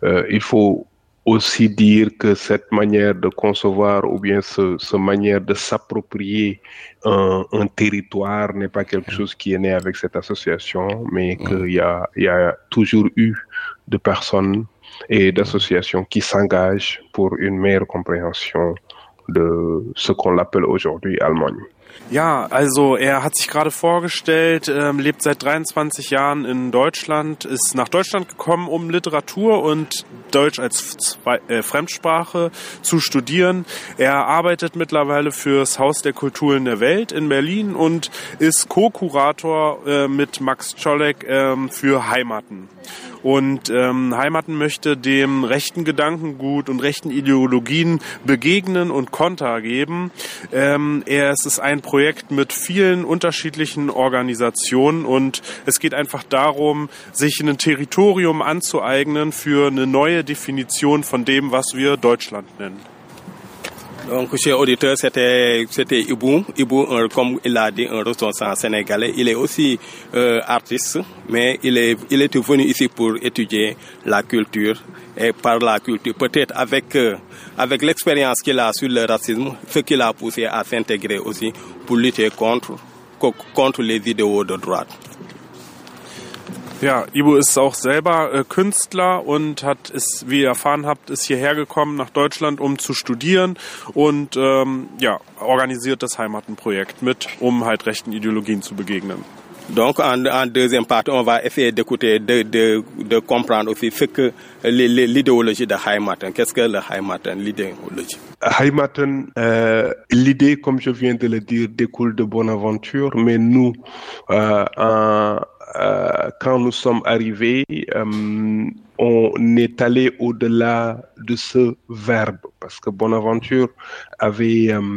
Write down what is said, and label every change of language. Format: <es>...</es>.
<fr>il faut aussi dire que cette manière de concevoir ou bien ce manière de s'approprier un territoire n'est pas quelque chose qui est né avec cette association, mais qu'il y a toujours eu de personnes et d'associations qui s'engagent pour une meilleure compréhension de ce qu'on appelle aujourd'hui Allemagne.</fr> <de>Ja, also er hat sich gerade vorgestellt, lebt seit 23 Jahren in Deutschland, ist nach Deutschland gekommen, um Literatur und Deutsch als Fremdsprache zu studieren. Er arbeitet mittlerweile fürs Haus der Kulturen der Welt in Berlin und ist Co-Kurator mit Max Czolek für Heimaten. Und Heimaten möchte dem rechten Gedankengut und rechten Ideologien begegnen und Konter geben. Es ist ein Projekt mit vielen unterschiedlichen Organisationen und es geht einfach darum, sich ein Territorium anzueignen für eine neue Definition von dem, was wir Deutschland nennen.</de> <fr>Donc, chers auditeurs, c'était Ibu. Ibu, comme il a dit, un ressortissant sénégalais. Il est aussi artiste, mais il est venu ici pour étudier la culture. Et par la culture, peut-être avec l'expérience qu'il a sur le racisme, ce qui l'a poussé à s'intégrer aussi pour lutter contre les idéaux de droite.</fr> <de>Ja, Ibu ist auch selber Künstler und hat, wie ihr erfahren habt, ist hierher gekommen nach Deutschland, um zu studieren und organisiert das Heimatenprojekt mit, um halt rechten Ideologien zu begegnen.</de> <fr>Donc en deuxième partie, on va essayer d'écouter, de comprendre aussi ce que l'idéologie de Heimaten. Qu'est-ce que le Heimaten, l'idéologie? Heimaten, l'idée, comme je viens de le dire, découle de Bonaventure, mais nous, quand nous sommes arrivés, on est allé au-delà de ce verbe, parce que Bonaventure avait</fr>